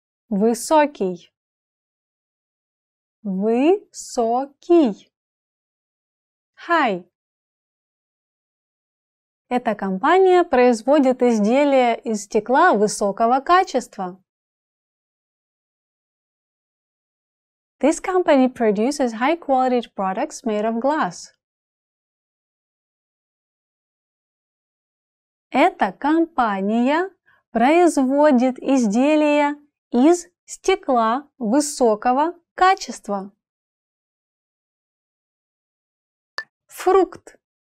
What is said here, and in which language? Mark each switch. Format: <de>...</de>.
<ru>Высокий. Высокий.</ru> <en>High.</en> <ru>Эта компания производит изделия из стекла высокого качества.</ru> <en>This company produces high-quality products made of glass.</en> <ru>Эта компания производит изделия из стекла высокого качества. Фрукт.</ru>